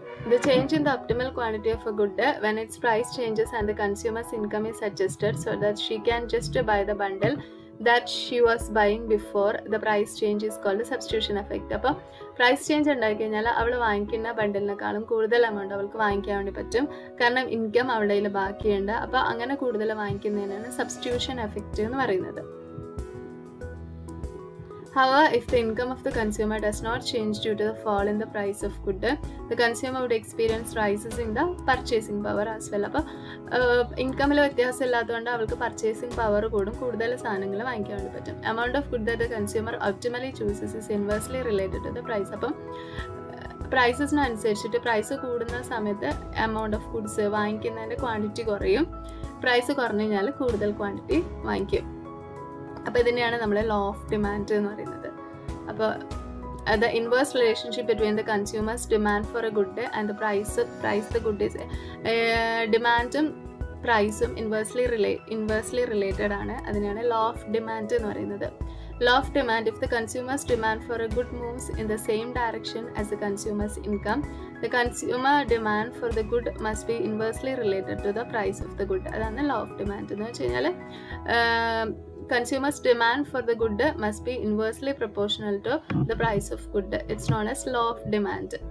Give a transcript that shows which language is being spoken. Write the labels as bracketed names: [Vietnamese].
[English] The change in the optimal quantity of a good when its price changes and the consumer's income is adjusted so that she can just buy the bundle that she was buying before the price change is called substitution effect. [Malayalam] അപ്പോൾ price change ഉണ്ടാക്കിക്കഴിഞ്ഞാൽ അവൾ വാങ്ങിക്കുന്ന ബണ്ടലിനേക്കാളും കൂടുതൽ amount അവൾക്ക് വാങ്ങിക്കാൻ വേണ്ടി പറ്റും, കാരണം income അവളുടെ കയ്യിൽ ബാക്കിയുണ്ട്. അപ്പോൾ അങ്ങനെ കൂടുതൽ വാങ്ങിക്കുന്നതിനാണ് സബ്സ്റ്റിറ്റ്യൂഷൻ എഫക്ട് എന്ന് പറയുന്നത്. [English] However, if the income of the consumer does not change due to the fall in the price of good, the consumer would experience rises in the purchasing power as well. [Malayalam] അപ്പോൾ ഇൻകമ്മിലെ വ്യത്യാസം ഇല്ലാത്തതുകൊണ്ട് അവൾക്ക് purchasing power കൂടും, കൂടുതൽ സാധനങ്ങൾ വാങ്ങിക്കാൻ വേണ്ടി പറ്റും. [English] Amount of good the consumer optimally chooses is inversely related to the price. [Malayalam] അപ്പം പ്രൈസസിനനുസരിച്ചിട്ട് പ്രൈസ് കൂടുന്ന സമയത്ത് എമൗണ്ട് ഓഫ് ഗുഡ്സ് വാങ്ങിക്കുന്നതിൻ്റെ ക്വാണ്ടിറ്റി കുറയും, പ്രൈസ് കുറഞ്ഞു കഴിഞ്ഞാൽ കൂടുതൽ ക്വാണ്ടിറ്റി വാങ്ങിക്കും. അപ്പോൾ ഇതിനെയാണ് നമ്മൾ ലോ ഓഫ് ഡിമാൻഡ് എന്ന് പറയുന്നത്. അപ്പോൾ [English] the inverse relationship between the consumer's demand for a good and the price the good is [Malayalam] ഡിമാൻഡും പ്രൈസും ഇൻവേഴ്സ്ലി റിലേറ്റഡ് ആണ്. അതിനെയാണ് ലോ ഓഫ് ഡിമാൻഡ് എന്ന് പറയുന്നത്. [English] Law of demand, if the consumer's demand for a good moves in the same direction as the consumer's income, the consumer demand for the good must be inversely related to the price of the good. [Malayalam] അതാണ് law of demand എന്ന് വെച്ച് കഴിഞ്ഞാൽ [English] consumer's demand for the good must be inversely proportional to the price of good. It's known as law of demand.